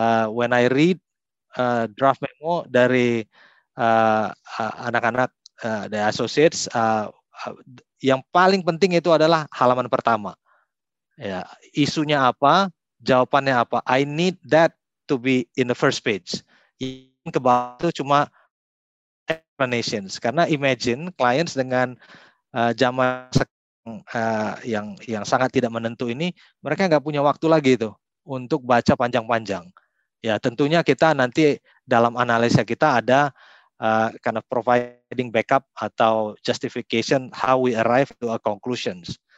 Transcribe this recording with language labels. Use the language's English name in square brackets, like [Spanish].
[English] When I read draft memo [Indonesian] dari anak-anak the associates, yang paling penting itu adalah halaman pertama. Ya, isunya apa, jawabannya apa. [English] I need that to be in the first page. [Indonesian] Yang ke bawah itu cuma explanations. Karena imagine clients dengan zaman sekarang yang sangat tidak menentu ini, mereka nggak punya waktu lagi itu untuk baca panjang-panjang. Ya, tentunya kita nanti dalam analisa kita ada [English] kind of providing backup [Indonesian] atau justification [English] how we arrive to a conclusions.